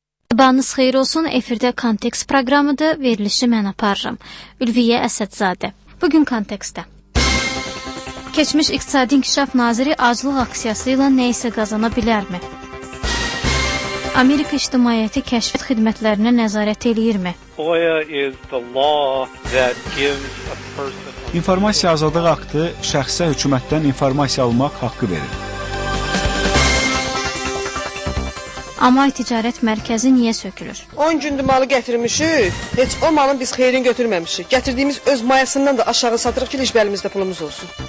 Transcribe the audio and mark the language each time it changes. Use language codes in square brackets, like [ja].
[az] Sabahınız xeyir olsun, efirdə kontekst proqramıdır, verilişi mən aparırım. Ülviyə Əsədzadə. Bugün kontekstdə. Keçmiş İqtisadi İnkişaf Naziri aclıq aksiyası ilə nə isə qazana bilərmi? Amerika İctimaiyyəti Kəşf Xidmətlərinə nəzarət eləyirmi? [en] FOIA is the law that gives a person... [az] İnformasiya azadlığı haqqı şəxsə hökumətdən informasiya almaq haqqı verir. Amay Ticaret Mərkəzi niyə sökülür? 10 gündür malı gətirmişik, heç o malın biz xeyrin götürməmişik. Gətirdiyimiz öz mayasından da aşağı satırıq ki, heç bəlimizdə pulumuz olsun.